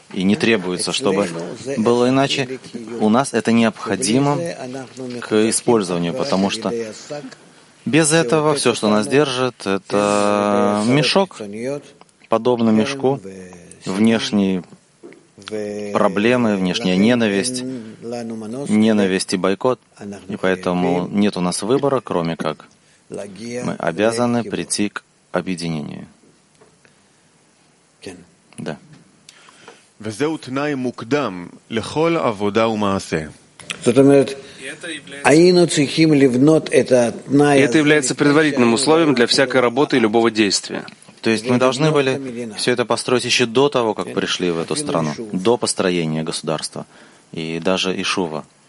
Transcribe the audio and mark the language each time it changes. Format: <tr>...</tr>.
<ru>И не требуется, чтобы было иначе. У нас это необходимо к использованию, потому что без этого все, что нас держит, это мешок, подобно мешку, внешние проблемы, внешняя ненависть и бойкот. И поэтому нет у нас выбора, кроме как мы обязаны прийти к объединению. Да.</ru> <he>וזהו תנאי מוקדם לכל עבודה ומעשה. זאת אומרת, היינו צריכים לבנות את התנאי הזה.</he> <ru>Это является предварительным условием для всякой работы и любого действия. То есть мы должны были все это построить еще до того, как пришли в эту страну, до построения государства и даже Ишува.</ru>